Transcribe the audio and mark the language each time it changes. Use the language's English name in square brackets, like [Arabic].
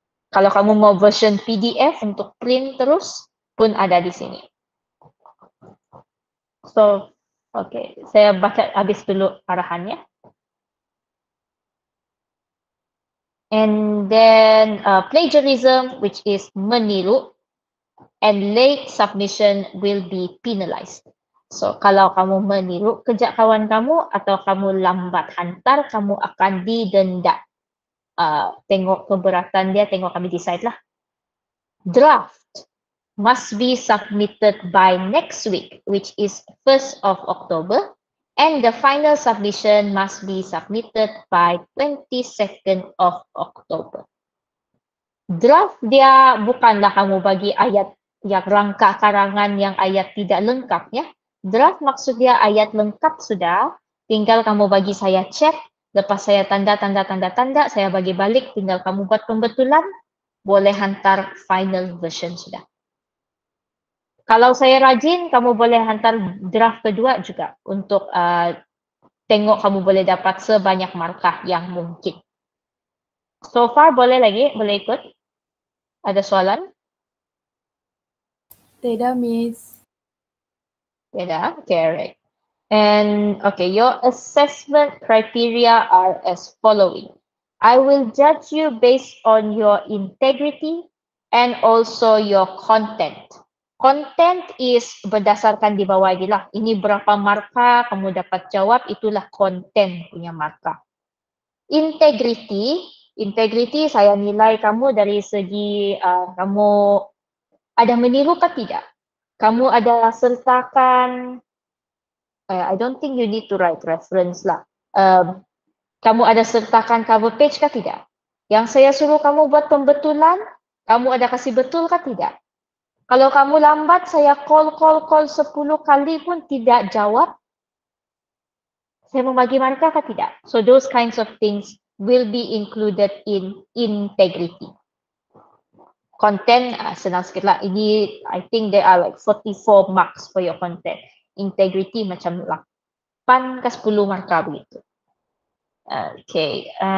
[Malay] Kalau kamu mau version PDF untuk print terus, pun ada di sini. So, okay. Saya baca habis dulu arahannya. [English] And then plagiarism, which is meniru, and late submission will be penalized. [Malay] So, kalau kamu meniru kerja kawan kamu atau kamu lambat hantar, kamu akan didenda. Tengok keberatan dia, tengok kami decide lah. [English] Draft must be submitted by next week, which is 1st of October. And the final submission must be submitted by 22nd of October. [Malay] Draft dia bukanlah kamu bagi ayat yang rangka karangan yang ayat tidak lengkap ya. Draft maksud dia ayat lengkap sudah, tinggal kamu bagi saya cek, lepas saya tanda, saya bagi balik, tinggal kamu buat pembetulan, boleh hantar final version sudah. Kalau saya rajin, kamu boleh hantar draft kedua juga untuk tengok kamu boleh dapat sebanyak markah yang mungkin. [English] So far, [Malay] boleh lagi? Boleh ikut? Ada soalan? Tidak, Miss. Tidak? Okay, right. [English] And okay, your assessment criteria are as following. I will judge you based on your integrity and also your content. Content is [Malay] berdasarkan di bawah ini lah. Ini berapa markah kamu dapat jawab, itulah content punya markah. Integrity saya nilai kamu dari segi kamu ada meniru ke tidak? Kamu ada sertakan, [English] I don't think you need to write reference lah. [Malay] Kamu ada sertakan cover page ke tidak? Yang saya suruh kamu buat pembetulan, kamu ada kasih betul ke tidak? Kalau kamu lambat, saya call 10 kali pun tidak jawab. Saya mau bagi markah atau tidak? [English] So those kinds of things will be included in integrity. Content, [Malay] senang sikit lah. Ini, [English] I think there are like 44 marks for your content. [Malay] Integrity macam 8 ke 10 markah begitu. Okay.